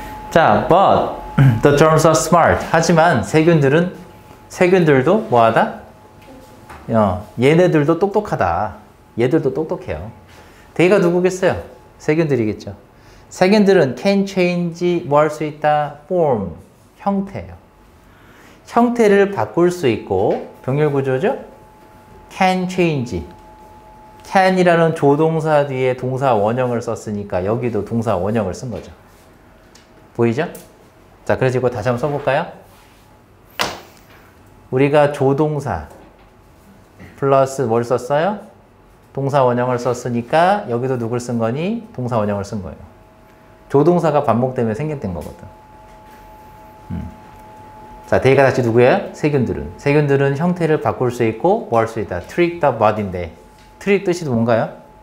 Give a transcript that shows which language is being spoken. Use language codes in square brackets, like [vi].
[en] 자, but the germs are smart. [ko] 하지만 세균들도 뭐하다? 얘네들도 똑똑하다. 얘들도 똑똑해요. 대가 누구겠어요? 세균들이겠죠. 세균들은 can change 뭐 할 수 있다? form, 형태예요. 형태를 바꿀 수 있고 병렬 구조죠? can change. can이라는 조동사 뒤에 동사 원형을 썼으니까 여기도 동사 원형을 쓴 거죠. 보이죠? 자, 그래서 이거 다시 한번 써볼까요? 우리가 조동사 플러스 뭘 썼어요? 동사 원형을 썼으니까 여기도 누굴 쓴 거니? 동사 원형을 쓴 거예요. 조동사가 반복되면 생겼던 거거든. 자, 대개가 다시 누구예요? 세균들은. 세균들은 형태를 바꿀 수 있고 뭐 할 수 있다? trick the body인데 trick 뜻이 뭔가요?